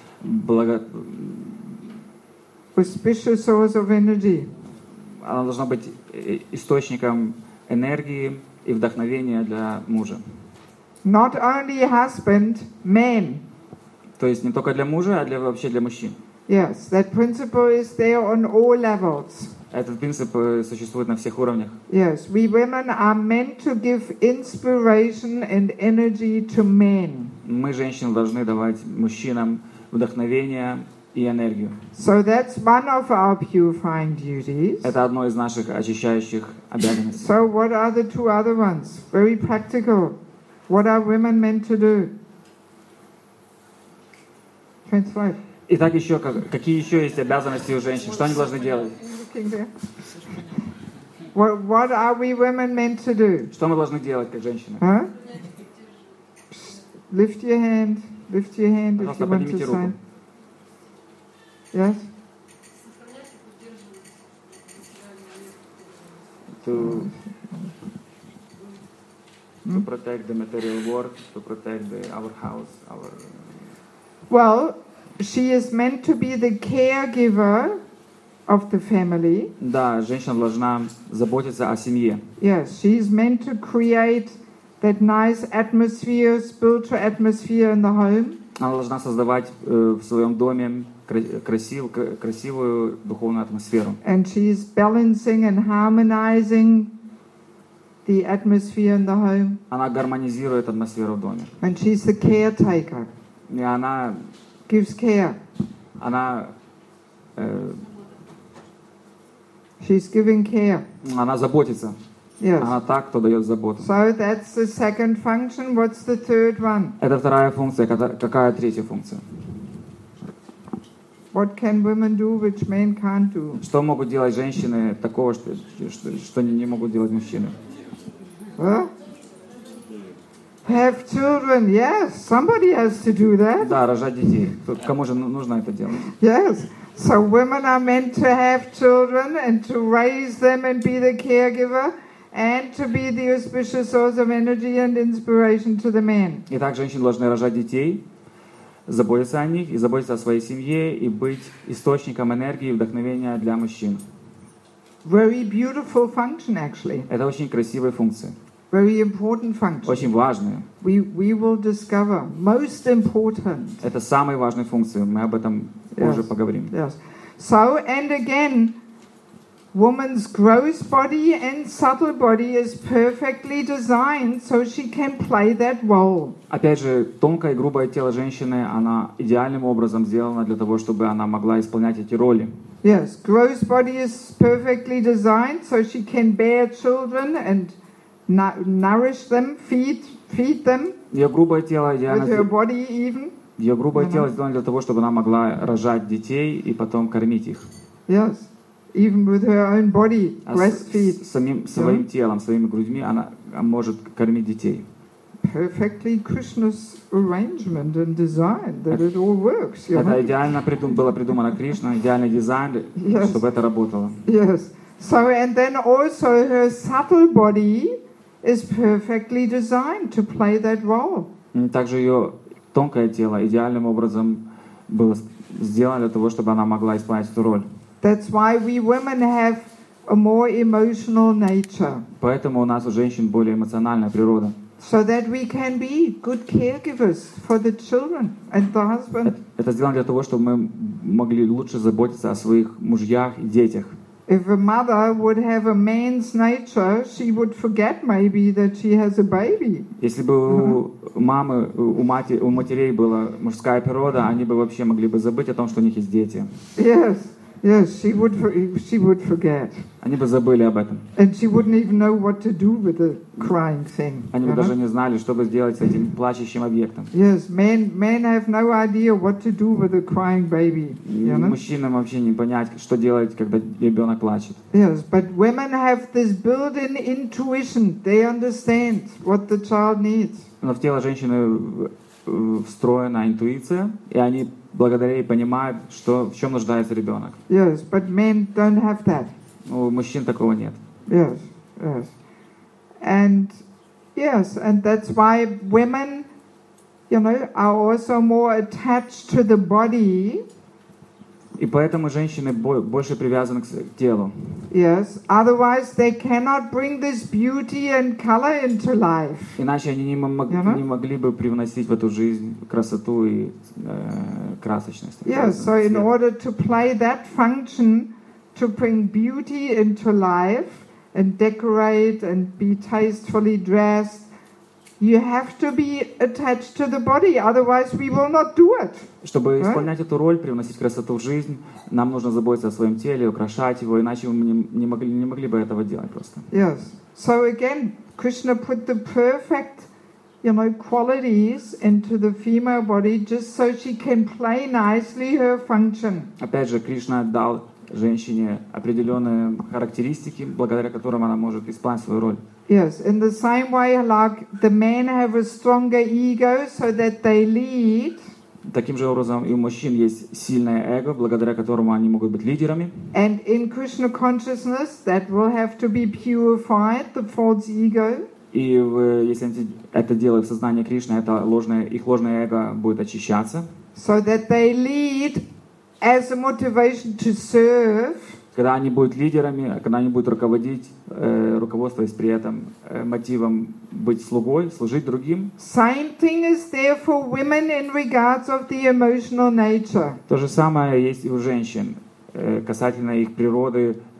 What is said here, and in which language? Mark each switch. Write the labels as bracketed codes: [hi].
[en] auspicious source of energy. [ru] Она должна быть источником энергии и вдохновения для мужа. [en] Not only husband, men. [ru] То есть не только для мужа, а вообще для мужчин. [en] Yes, that principle is there on all levels. [ru] Этот принцип существует на всех уровнях. [en] Yes, we women are meant to give inspiration and energy to men. [ru] Мы, женщины, должны давать мужчинам вдохновение и энергию. [en] So that's one of our purifying duties. [ru] Это одно из наших очищающих обязанностей. [en] So what are the two other ones? Very practical. What are women meant to do? Translate. [ru] Итак, еще какие еще есть обязанности у женщин? Что они должны делать? [en] What are we women meant to do? [ru] Что мы должны делать как женщины? Huh? [en] Lift your hand. Lift your hand if you want to sign. Yes. To protect the material world, to protect our house, our. Well, she is meant to be the caregiver of the family. [ru] Да, женщина должна заботиться о семье. [en] Yes, she is meant to create that nice atmosphere, spiritual atmosphere in the home. [ru] Она должна создавать в своем доме красивую духовную атмосферу. [en] And she is balancing and harmonizing the atmosphere in the home. [ru] Она гармонизирует атмосферу в доме. [en] And she is the caretaker. [ru] И она [en] gives care. [ru] Она [en] she's giving care. [ru] Она заботится. [en] Yes. [ru] Она та, кто дает заботу. [en] So that's the second function. What's the third one? [ru] Это вторая функция. Какая третья функция? [en] What can women do which men can't do? [ru] Что могут делать женщины такого, что не могут делать мужчины? [en] Huh? Have children? Yes. Somebody has to do that. [ru] Да, рожать детей. Кому же нужно это делать? [en] Yes. So women are meant to have children and to raise them and be the caregiver and to be the auspicious source of energy and inspiration to the men. [ru] Итак, женщины должны рожать детей, заботиться о них и заботиться о своей семье и быть источником энергии и вдохновения для мужчин. [en] Very beautiful function, actually. [ru] Это очень красивая функция. [en] Very important function. [ru] Очень важная. [en] We will discover most important. [ru] Это самая важная функция. Мы об этом позже поговорим. [en] Yes. So and again, woman's gross body and subtle body is perfectly designed so she can play that role. [ru] Опять же, тонкое и грубое тело женщины, она идеальным образом сделана для того, чтобы она могла исполнять эти роли. [en] Yes, gross body is perfectly designed so she can bear children and nourish them, feed them. [ru] Ее грубое тело идеально. [en] With her body even. [ru] Ее грубое тело сделано для того, чтобы она могла рожать детей и потом кормить их. [en] Yes, even with her own body, breastfeed. [ru] Самим своим телом, своими грудьми она может кормить детей. [en] Perfectly Krishna's arrangement and design that it all works. [ru] Это идеально было придумано Кришной, идеальный дизайн, чтобы это работало. [en] Yes. So and then also her subtle body is perfectly designed to play that role. [ru] Также ее тонкое тело идеальным образом было сделано для того, чтобы она могла исполнять эту роль. [en] That's why we women have a more emotional nature. [ru] Поэтому у нас у женщин более эмоциональная природа. [en] So that we can be good caregivers for the children and the husband. [ru] Это сделано для того, чтобы мы могли лучше заботиться о своих мужьях и детях. [en] If a mother would have a man's nature, she would forget maybe that she has a baby. [ru] Если бы у мамы, у матерей была мужская природа, они бы вообще могли бы забыть о том, что у них есть дети. [en] Yes, yes, she would forget. [ru] Они бы забыли об этом. [en] And she wouldn't even know what to do with the crying thing. [ru] Они бы даже не знали, что бы сделать с этим плачущим объектом. [en] Yes, men have no idea what to do with a crying baby. [ru] Мужчинам вообще не понять, что делать, когда ребенок плачет. [en] Yes, but women have this built-in intuition. They understand what the child needs. [ru] Но в тело женщины встроена интуиция, и они благодаря ей понимают, что в чем нуждается ребенок. [en] Yes, but men don't have that. [ru] У мужчин такого нет. [en] Yes, yes. And yes, and that's why women, you know, are also more attached to the body. [ru] И поэтому женщины больше привязаны к телу. [en] Yes, otherwise they cannot bring this beauty and color into life. [ru] Иначе они не могли бы привносить в эту жизнь красоту и красочность. [en] Yes, so in order to play that function, to bring beauty into life and decorate and be tastefully dressed, you have to be attached to the body, otherwise we will not do it. [ru] Чтобы исполнять эту роль, привносить красоту в жизнь, нам нужно заботиться о своем теле, украшать его, иначе мы не могли бы этого делать просто. [en] Yes. So again, Krishna put the perfect, you know, qualities into the female body just so she can play nicely her function. [ru] Опять же, Кришна дал женщине определенные характеристики, благодаря которым она может исполнять свою роль. [en] Yes, in the same way, like the men have a stronger ego so that they lead. [ru] Таким же образом и у мужчин есть сильное эго, благодаря которому они могут быть лидерами. [en] And in Krishna consciousness, that will have to be purified, the false ego. [ru] И если они это делают в сознании Кришны, это ложное, их ложное эго будет очищаться. [en] So that they lead as a motivation to serve. [ru] Когда они будут лидерами, когда они будут руководить, руководствуясь при этом мотивом быть слугой, служить другим. [en] Same thing is there for women in regards of the emotional nature. [ru] То же самое есть и у женщин, касательно их природы.